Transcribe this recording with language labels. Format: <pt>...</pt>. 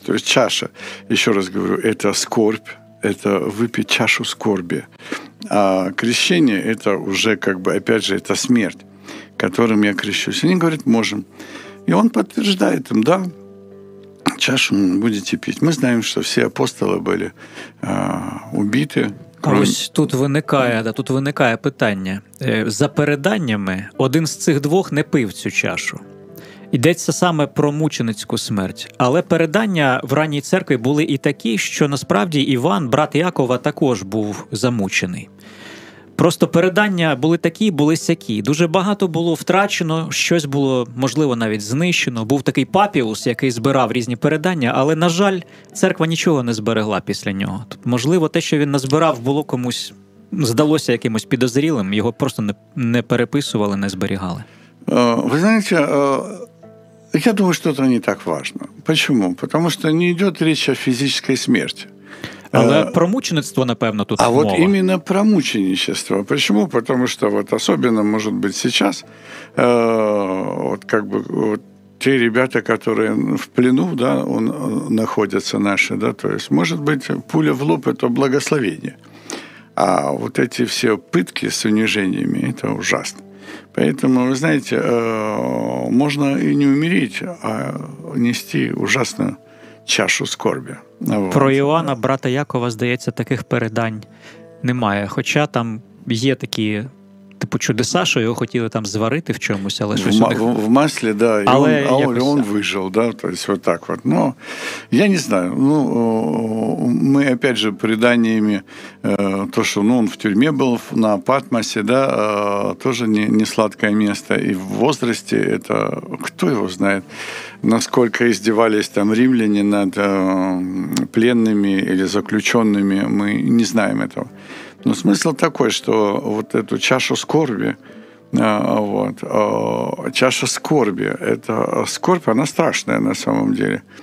<ru>То есть чаша, еще раз говорю, это скорбь, это выпить чашу скорби. А крещение – это уже, как бы, опять же, это смерть, которым я крещусь. Они говорят, можем. И он подтверждает им, да, чашу будете пить. Мы знаем, что все апостолы были убиты.</ru> <uk>Ось тут виникає, да, тут виникає питання. За переданнями, один з цих двох не пив цю чашу. Йдеться саме про мученицьку смерть. Але передання в ранній церкві були і такі, що насправді Іван, брат Якова, також був замучений. Просто передання були такі, були сякі. Дуже багато було втрачено, щось було, можливо, навіть знищено. Був такий папіус, який збирав різні передання, але, на жаль, церква нічого не зберегла після нього. Тобто, можливо, те, що він назбирав, було комусь, здалося якимось підозрілим, його просто не переписували, не зберігали. Ви знаєте, я думаю, що це не так важно. Чому? Тому що не йде річ о фізичній смерті. Але про мучеництво, напевно, тут мова.</uk> <ru>А вот именно про мученичество. Почему? Потому что вот особенно, может быть, сейчас вот как бы вот те ребята, которые в плену, да, он находятся наши, да, то есть, может быть, пуля в лоб – это благословение. А вот эти все пытки с унижениями – это ужасно. Поэтому, вы знаете, можно и не умереть, а нести ужасную чашу скорби.</ru> <uk>Про Іоанна, брата Якова, здається, таких передань немає. Хоча там є такі, типу, чудеса, що його хотіли там зварити в чомусь, але щось у них... В маслі, да. Але він вижив, да, тобто от так от. Ну, я не знаю. Ну, ми,</uk> <ru>опять же,</ru> <uk>преданиями, то, що, ну, він в тюрмі був на Патмосі, да, теж не сладкое місце.</uk> <ru>І в возрасті, це,</ru> <uk>хто його знає,</uk> <ru>насколько издевались там римляне над пленными или заключенными, мы не знаем этого. Но смысл такой, что вот эту чашу скорби, вот, чаша скорби, это скорбь, она страшная на самом деле.</ru>